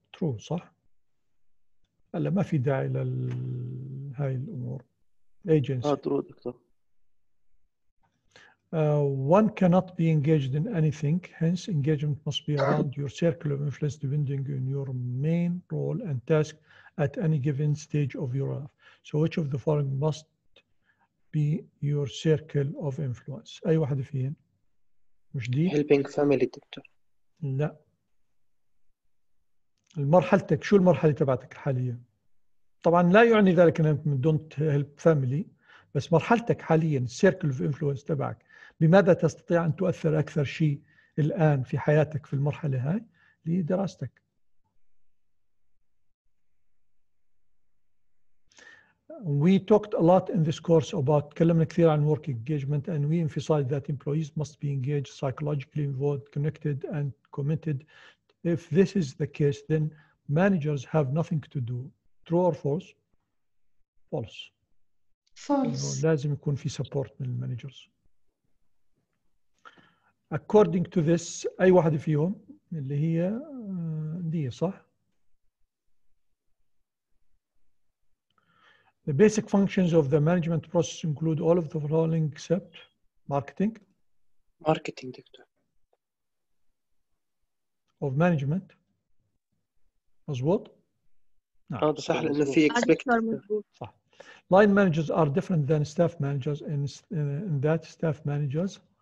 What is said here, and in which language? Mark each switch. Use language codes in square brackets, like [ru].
[ar] True, صح؟ ألا ما في داعي لهاي الأمور. [en] Agency. True, doctor. One cannot be engaged in anything, hence engagement must be around your circle of influence depending on your main role and task at any given stage of your life. So which of the following must be your circle of influence? [ar] أي واحد فيهن؟ مش دي؟ [en] Helping family, doctor. [ar] لا. المرحلتك, شو المرحلة تبعتك حاليا؟ طبعا لا يعني ذلك أنك [en] don't help family, [ar] بس مرحلتك حاليا [en] circle of influence [ar] تبعك بماذا تستطيع أن تؤثر أكثر شيء الآن في حياتك في المرحلة هاي لدراستك. [en] We talked a lot in this course about [ar] تكلمنا كثير عن [en] work engagement and we emphasized that employees must be engaged, psychologically involved, connected and committed. If this is the case, then managers have nothing to do. True or false? False. False. [ar] لازم يكون في support من managers. [en] According to this, [ar] أي واحد فيهم اللي هي دي صح؟ [en] The basic functions of the management process include all of the following except marketing. Marketing, doctor. Of management. مزبوط؟ [ar] نعم. هذا صح لأنه في expectations. صح. [en] Line managers are different than staff managers in that staff managers.